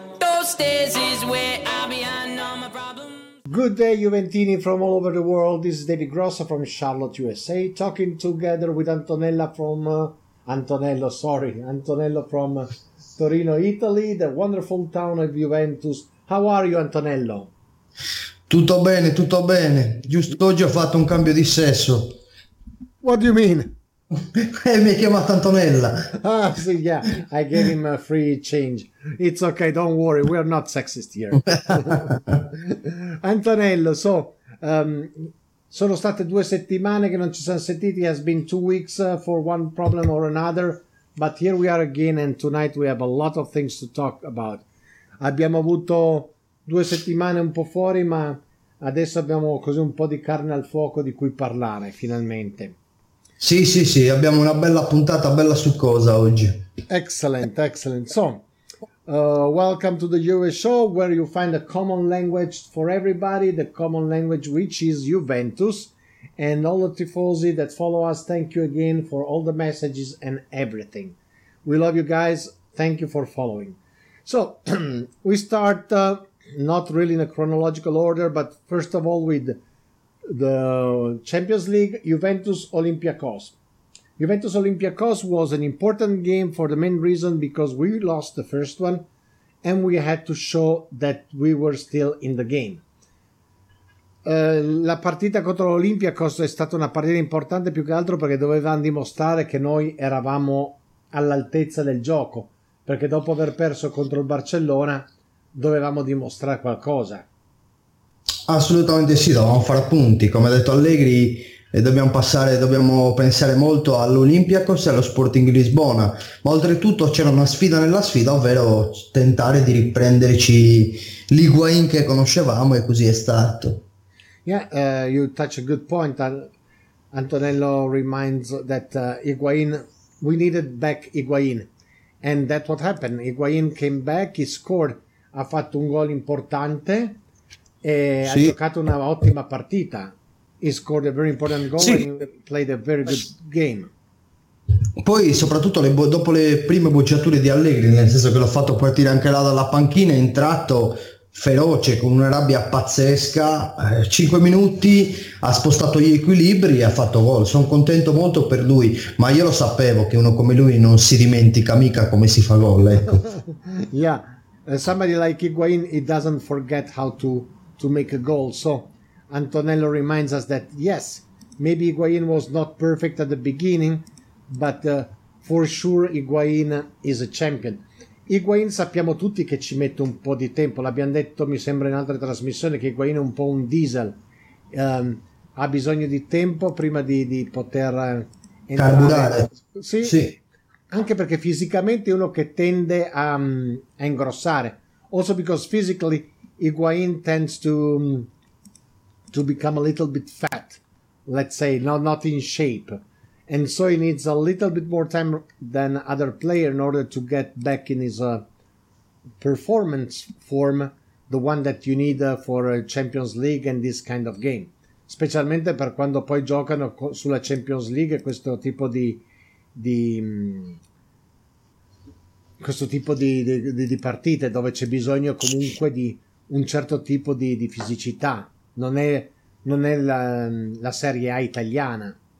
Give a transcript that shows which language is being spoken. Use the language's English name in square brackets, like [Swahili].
[English] Those stairs is where I'll be on all my problems. Good day, Juventini from all over the world. This is David Grosso from Charlotte, USA, talking together with Antonello from Torino, Italy, the wonderful town of Juventus. How are you, Antonello? [Italian] Tutto bene, tutto bene. Giusto oggi ho fatto un cambio di sesso. [English] What do you mean? [Italian] Mi ha chiamato Antonella. Ah, sì, [English] yeah, I gave him a free change. It's okay, don't worry, we are not sexist here. [Italian] Antonello, so, sono state due settimane che non ci siamo sentiti. [English] It has been 2 weeks for one problem or another. But here we are again, and tonight we have a lot of things to talk about. [Italian] Abbiamo avuto 2 settimane un po' fuori, ma adesso abbiamo così un po' di carne al fuoco di cui parlare, finalmente. Sì, sì, sì, abbiamo una bella puntata, bella succosa oggi. [English] Excellent, excellent. So, welcome to the Juve Show, where you find a common language for everybody, the common language which is Juventus, and all the tifosi that follow us, thank you again for all the messages and everything. We love you guys, thank you for following. So, we start... not really in a chronological order, but first of all with the Champions League, Juventus-Olympiacos. Juventus-Olympiacos was an important game for the main reason because we lost the first one and we had to show that we were still in the game. [Italian] La partita contro l'Olympiacos è stata una partita importante più che altro perché dovevamo dimostrare che noi eravamo all'altezza del gioco, perché dopo aver perso contro il Barcellona dovevamo dimostrare qualcosa. Assolutamente sì, dovevamo fare punti, come ha detto Allegri, e dobbiamo pensare molto all'Olympiacos e allo Sporting Lisbona, ma oltretutto c'era una sfida nella sfida, ovvero tentare di riprenderci l'Higuain che conoscevamo, e così è stato. [English] Yeah, you touch a good point. Antonello reminds that Higuain, we needed back Higuain, and that what happened. Higuain came back, he scored, [Italian] ha fatto un gol importante e sì, ha giocato una ottima partita. [English] He scored a very important goal, sì, and played a very good game. [Italian] Poi soprattutto dopo le prime bocciature di Allegri, nel senso che l'ho fatto partire anche là dalla panchina, è entrato feroce con una rabbia pazzesca, 5 minuti ha spostato gli equilibri e ha fatto gol. Sono contento molto per lui, ma io lo sapevo che uno come lui non si dimentica mica come si fa gol, ecco. [English] Yeah. Somebody like Higuain, he doesn't forget how to make a goal. So Antonello reminds us that, yes, maybe Higuain was not perfect at the beginning, but for sure Higuain is a champion. [Italian] Higuain sappiamo tutti che ci mette un po' di tempo. L'abbiamo detto, mi sembra, in altre trasmissioni, che Higuain è un po' un diesel. Ha bisogno di tempo prima di poter carburare. Sì, sì. Anche perché fisicamente è uno che tende a ingrossare. [English] Also because physically Higuain tends to become a little bit fat, let's say, not in shape. And so he needs a little bit more time than other player in order to get back in his performance form, the one that you need for a Champions League and this kind of game. [Italian] Specialmente per quando poi giocano sulla Champions League, questo tipo di partite dove c'è bisogno comunque di un certo tipo di fisicità, non è la Serie A italiana.